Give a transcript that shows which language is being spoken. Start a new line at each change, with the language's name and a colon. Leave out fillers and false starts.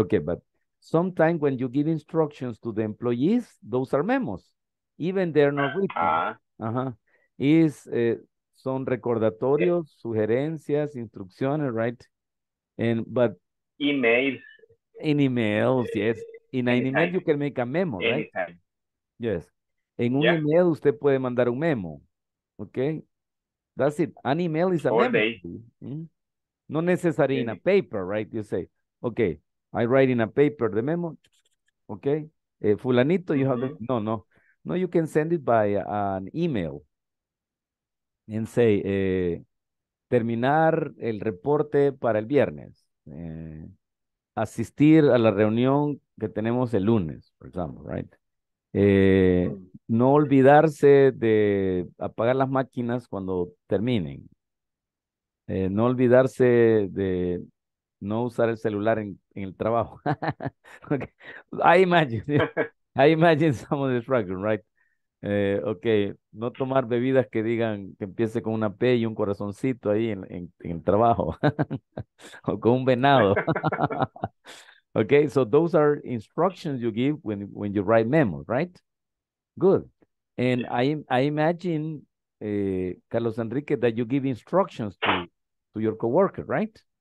English: Okay, but sometimes when you give instructions to the employees, those are memos, even they're not written.
Spanish: Is son recordatorios, sugerencias, instrucciones,
English: right? But emails. In emails, yes. In an email, you can make a memo, anytime. Right? Yes.
Spanish: En un email, usted puede mandar un memo.
English: Okay? That's it. An email is a or memo. Mm-hmm. Not necessary in a paper, right? You say, okay. I write in a paper the memo, okay? Fulanito, you have the... No, you can send it by an email and say,
Spanish: terminar el reporte para el viernes. Asistir a la reunión que tenemos el lunes, por ejemplo,
English: right?
Spanish: No olvidarse de apagar las máquinas cuando terminen. No olvidarse de no usar el celular en el trabajo.
English: Okay. I imagine some of the struggle, right? Okay,
Spanish: no tomar bebidas que digan que empiece con una P y un corazoncito ahí en el trabajo. O con un venado.
English: Okay, so those are instructions you give when you write memos, right? Good. And I imagine, Carlos Enrique, that you give instructions to your coworker, right?